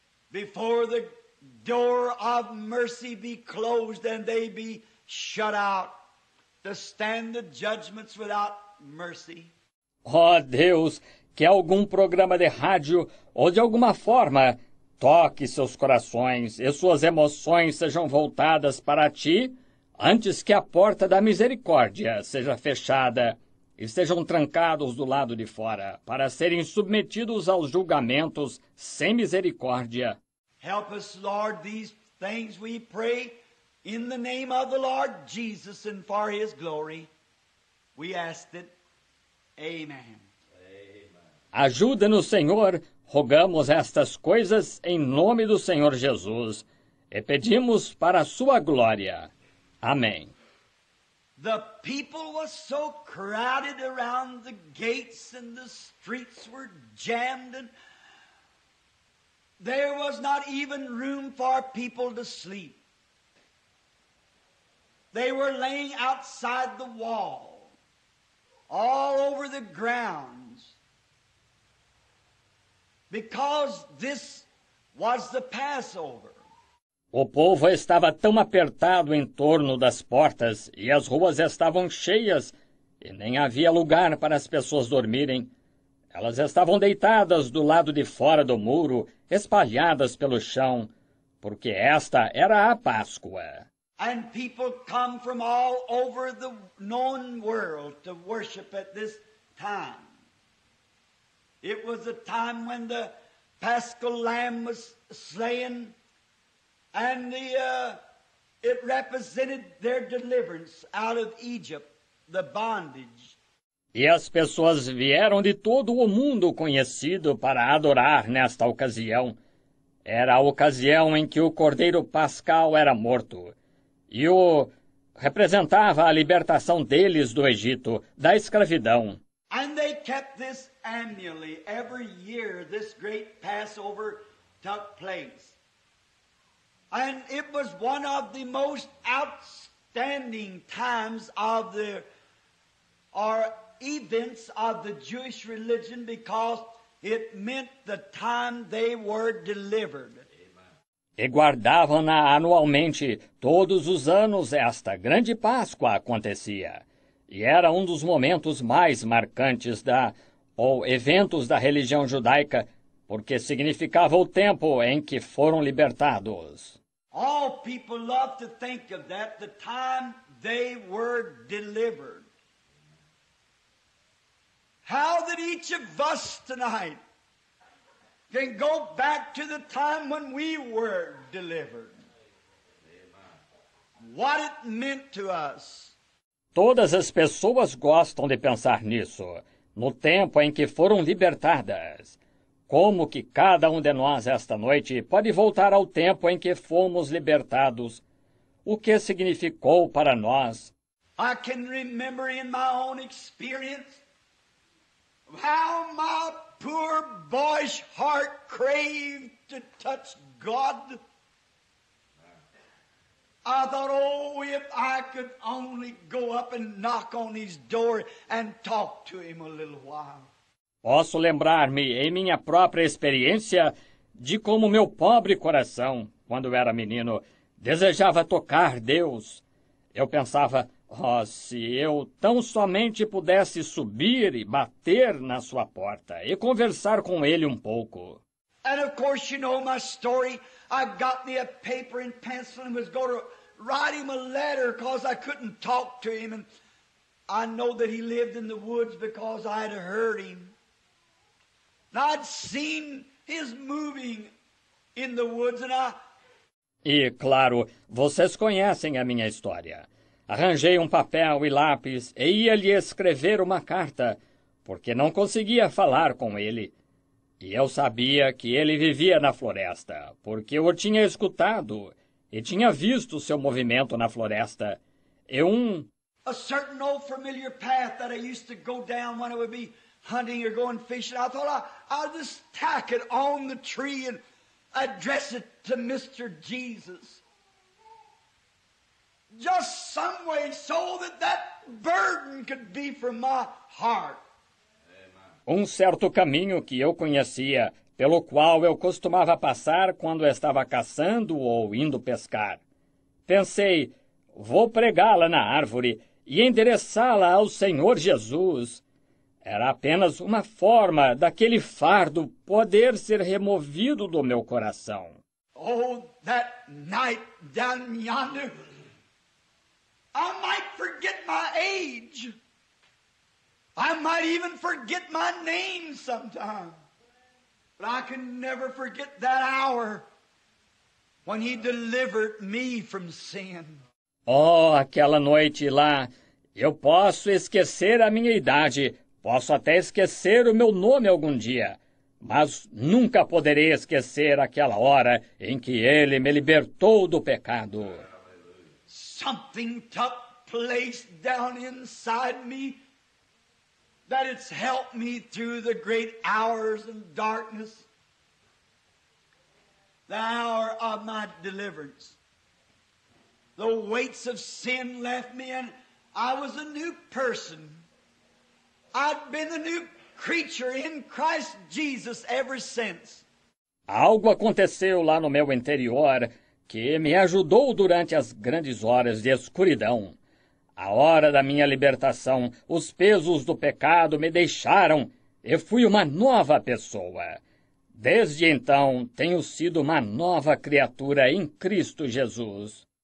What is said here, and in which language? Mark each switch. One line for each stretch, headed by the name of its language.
English: Before the door of mercy be closed and they be shut out to stand the judgments without mercy.
Portuguese: Oh, Deus, que algum programa de rádio ou de alguma forma toque seus corações e suas emoções sejam voltadas para Ti antes que a porta da misericórdia seja fechada e sejam trancados do lado de fora para serem submetidos aos julgamentos sem misericórdia.
English: Help us, Lord, these things we pray in the name of the Lord Jesus and for His glory. We ask it. Amen. Amen.
Portuguese: Ajuda-nos, Senhor, rogamos estas coisas em nome do Senhor Jesus e pedimos para a Sua glória. Amém.
English: The people were so crowded around the gates and the streets were jammed and there was not even room for people to sleep. They were laying outside the wall, all over the grounds, because this was the Passover.
Portuguese: O povo estava tão apertado em torno das portas e as ruas estavam cheias e nem havia lugar para as pessoas dormirem. Elas estavam deitadas do lado de fora do muro, espalhadas pelo chão, porque esta era a Páscoa.
English: And people come from all over the known world to worship at this time. It was a time when the Paschal Lamb was slain, and it represented their deliverance out of Egypt, the bondage.
Portuguese: E as pessoas vieram de todo o mundo conhecido para adorar nesta ocasião. Era a ocasião em que o Cordeiro Pascal era morto e o representava a libertação deles do Egito, da escravidão.
English: And they kept this annually. Every year this great Passover took place. And it was one of the most outstanding times of the events of the Jewish religion because it meant the time they were delivered.
Portuguese: E guardavam-na anualmente, todos os anos esta grande Páscoa acontecia. E era um dos momentos mais marcantes da, ou eventos da religião judaica, porque significava o tempo em que foram libertados.
English: All people love to think of that, the time they were delivered. How that each of us tonight Then go back to the time when we were delivered. What it meant to us.
Portuguese: Todas as pessoas gostam de pensar nisso, no tempo em que foram libertadas. Como que cada um de nós esta noite pode voltar ao tempo em que fomos libertados? O que significou para nós?
English: I can remember in my own experience how my poor boyish heart craved to touch God. I thought, oh, if I could only go up and knock on his door and talk to him a little while.
Portuguese: Posso lembrar-me, em minha própria experiência, de como meu pobre coração, quando era menino, desejava tocar Deus. Eu pensava, oh, se eu tão somente pudesse subir e bater na sua porta e conversar com ele um pouco.
English: And of course, you know my story. I got me a paper and pencil and was going to write him a letter because I couldn't talk to him. And I know that he lived in the woods because I had heard him. I'd seen his moving in the woods and I...
Portuguese: E, claro, vocês conhecem a minha história. Arranjei um papel e lápis e ia lhe escrever uma carta, porque não conseguia falar com ele. E eu sabia que ele vivia na floresta, porque eu o tinha escutado e tinha visto seu movimento na floresta. E um...
English: A certain old familiar path that I used to go down when I would be hunting or going fishing, I thought I'd just tack it on the tree and address it to Mr. Jesus. Just some way so that that burden could be from my heart.
Portuguese: Um certo caminho que eu conhecia, pelo qual eu costumava passar quando estava caçando ou indo pescar. Pensei, vou pregá-la na árvore e endereçá-la ao Senhor Jesus. Era apenas uma forma daquele fardo poder ser removido do meu coração.
English: Oh, that night down yonder, I might forget my age. I might even forget my name sometime. But I can never forget that hour when he delivered me from sin.
Portuguese: Oh, aquela noite lá, eu posso esquecer a minha idade. Posso até esquecer o meu nome algum dia, mas nunca poderei esquecer aquela hora em que ele me libertou do pecado.
English: Something took place down inside me that it's helped me through the great hours and darkness. The hour of my deliverance. The weights of sin left me and I was a new person. I've been a new creature in Christ Jesus ever since.
Portuguese: Algo aconteceu lá no meu interior que me ajudou durante as grandes horas de escuridão. A hora da minha libertação, os pesos do pecado me deixaram e fui uma nova pessoa. Desde então, tenho sido uma nova criatura em Cristo Jesus.